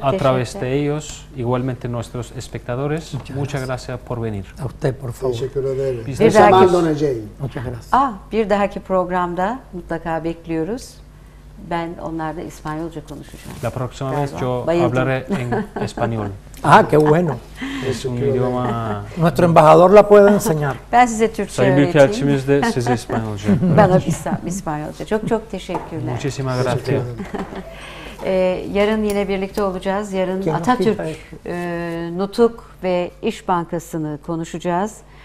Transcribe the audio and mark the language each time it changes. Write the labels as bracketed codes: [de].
[es] a través de ellos, igualmente nuestros espectadores. Muchas gracias por venir. A usted, por favor. [tr] Teşekkür ederim. Biz de sana anlayacağım. Ah, bir dahaki programda mutlaka bekliyoruz. Ben onlarla İspanyolca konuşacağım. [es] La próxima vez yo hablaré en español. Ah, qué bueno. Es un idioma... Nuestro embajador la puede enseñar. [tr] Ben size Türkçe öğreteyim. Sayın Büyükelçimiz de size İspanyolca. Bana İspanyolca. Çok çok teşekkürler. [es] Muchísima gracias. [tr] Yarın yine birlikte olacağız. Yarın Atatürk, Nutuk ve İş Bankası'nı konuşacağız.